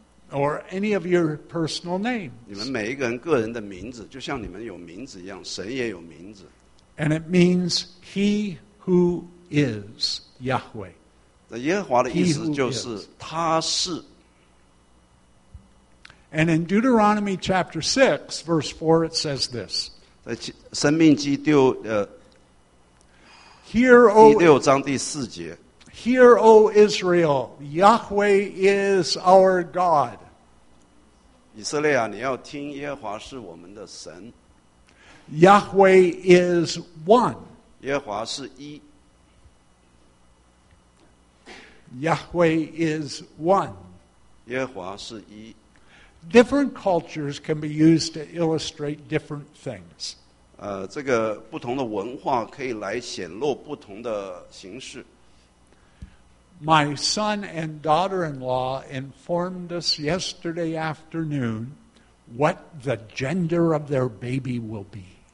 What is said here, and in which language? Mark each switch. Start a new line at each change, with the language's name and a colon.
English: Or any of your personal names.
Chinese: 你们每一个人个人的名字，就像你们有名字一样，神也有名字。
English: And it means He who is Yahweh.
Chinese: 那耶和华的意思就是他是。
English: And in Deuteronomy chapter 6, verse 4, it says this.
Chinese: 在生命记六
English: Hear, O
Chinese: 第六章第四节。
English: Hear, O Israel, Yahweh is our God.
Chinese: 以色列啊，你要听，耶和华是我们的神。
English: Yahweh is one.
Chinese: 耶和华是一。
English: Yahweh is one.
Chinese: 耶和华是一。
English: Different cultures can be used to illustrate different things.
Chinese: 这个不同的文化可以来显露不同的形式。
English: My son and daughter-in-law informed us yesterday afternoon what the gender of their baby will be.